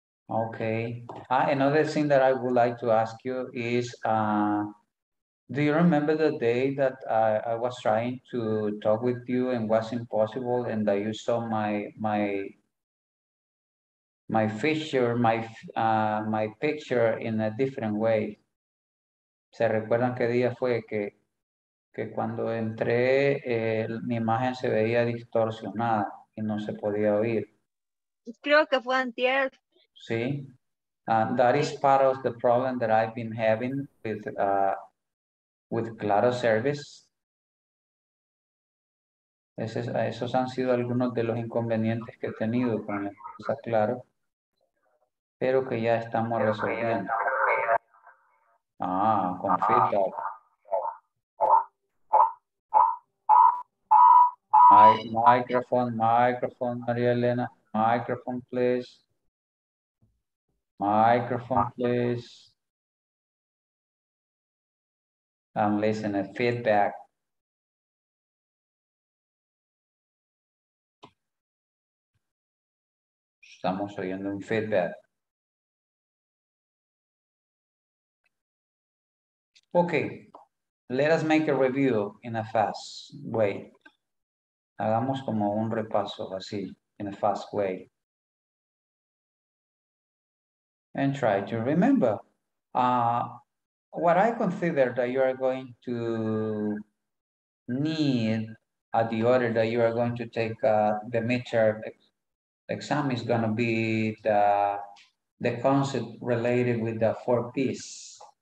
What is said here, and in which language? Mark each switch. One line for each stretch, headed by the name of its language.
English: Okay, another thing that I would like to ask you is, do you remember the day that I was trying to talk with you and was impossible and that you saw my picture in a different way?
Spanish: ¿Se recuerdan qué día fue que cuando entré mi imagen se veía distorsionada y no se podía oír? Creo que fue antier. Sí.
English: That is part of the problem that I've been having with Claro service.
Spanish: Esos han sido algunos de los inconvenientes que he tenido con la cosa, claro. Pero que ya estamos resolviendo. Ah, con feedback.
English: Microphone, María Elena. Microphone, please. I'm listening. Feedback.
Spanish: Estamos oyendo un feedback.
English: Okay. Let us make a review in a fast way.
Spanish: Hagamos como un repaso así,
English: in a fast way. And try to remember. What I consider that you are going to need at the order that you are going to take the midterm exam is going to be the concept related with the four P's.